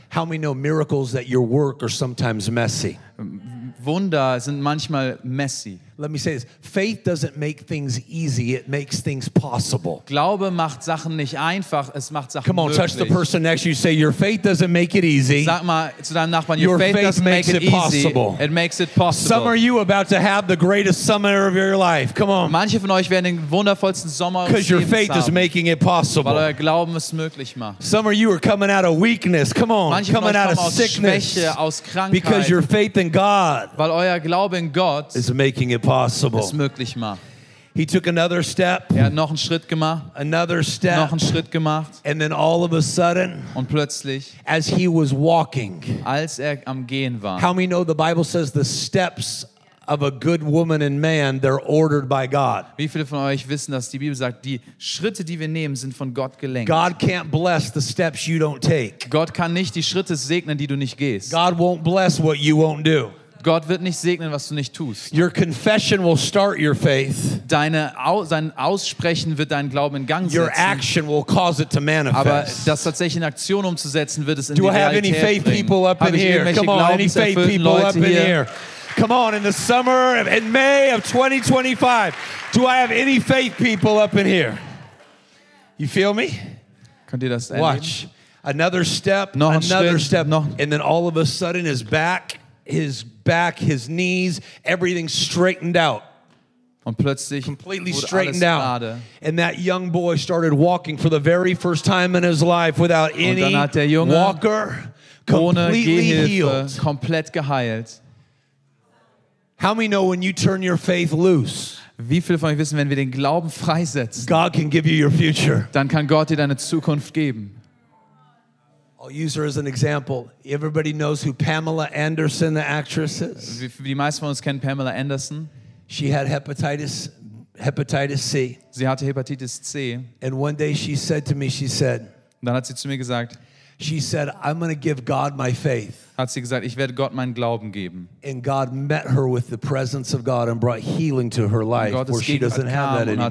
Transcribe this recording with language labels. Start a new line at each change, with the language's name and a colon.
English: How many know miracles that your work are sometimes messy?
German: Wunder sind manchmal messy.
English: Let me say this. Faith doesn't make things easy. It makes things possible.
German: Glaube macht Sachen nicht einfach. Es macht Sachen möglich.
English: Come on, touch the person next to you. Say, your faith doesn't make it easy.
German: Sag mal zu deinem Nachbarn,
English: your faith doesn't make it possible. It makes it possible. Some are you about to have the greatest summer of your life. Come on.
German: Manche von euch werden den wundervollsten Sommer haben.
English: Because your faith is making it possible.
German: Weil euer Glauben es möglich macht.
English: Some of you are coming out of weakness. Come on.
German: Manche von euch kommen aus Schwäche, aus Krankheit.
English: Because your faith in God.
German: Weil euer Glaube in Gott.
English: Is making it possible.
German: Es möglich macht.
English: He took another step.
German: Er hat noch einen Schritt gemacht.
English: Another step.
German: Noch einen Schritt gemacht.
English: And then all of a sudden,
German: und plötzlich,
English: as he was walking,
German: als er am Gehen war.
English: How many know the Bible says the steps of a good woman and man, they're ordered by God.
German: Wie viele von euch wissen, dass die Bibel sagt, die Schritte, die wir nehmen, sind von Gott gelenkt.
English: God can't bless the steps you don't take.
German: Gott kann nicht die Schritte segnen, die du nicht gehst.
English: God won't bless what you won't do.
German: Gott wird nicht segnen, was du nicht tust.
English: Your confession will start your faith.
German: Sein Aussprechen wird deinen Glauben in Gang setzen.
English: Your action will cause it to manifest.
German: Aber das tatsächlich in Aktion umzusetzen, wird es in die Realität bringen.
English: Do I have any faith people up in here? Come on, any faith people up in here? Come on, in the summer, in May of 2025, do I have any faith people up in here? You feel me?
German: Könnt ihr das erleben?
English: Watch. Another step, another step, and then all of a sudden his back, his knees, everything straightened out.
German: Und plötzlich
English: completely straightened out. And that young boy started walking for the very first time in his life without any walker, completely
German: Komplett geheilt.
English: How many know when you turn your faith loose?
German: Wie viele von euch wissen, wenn wir den Glauben freisetzen,
English: God can give you your future.
German: Dann kann Gott dir deine Zukunft geben.
English: I'll use her as an example. Everybody knows who Pamela Anderson, the actress, is.
German: Die meisten von uns kennen Pamela Anderson.
English: She had hepatitis C.
German: Sie hatte Hepatitis C.
English: And one day she said to me, she said.
German: Dann hat sie zu mir gesagt.
English: She said, "I'm going to give God my faith."
German: Hat sie gesagt, ich werde Gott meinen Glauben geben.
English: And God met her with the presence of God and brought healing to her life, where she doesn't have that anymore.